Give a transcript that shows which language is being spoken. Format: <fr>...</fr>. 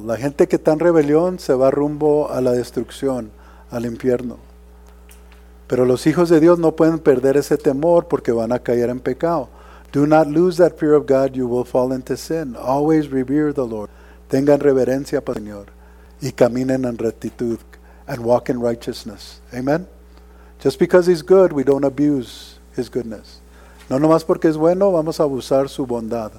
<es>La gente que está en rebelión se va rumbo a la destrucción, al infierno. Pero los hijos de Dios no pueden perder ese temor porque van a caer en pecado.</es> <en>Do not lose that fear of God, you will fall into sin. Always revere the Lord.</en> <es>Tengan reverencia para el Señor y caminen en rectitud</es> <en>and walk in righteousness.</en> <es>Amen.</es> <en>Just because he's good, we don't abuse his goodness.</en> <es>No nomás porque es bueno, vamos a abusar su bondad.</es>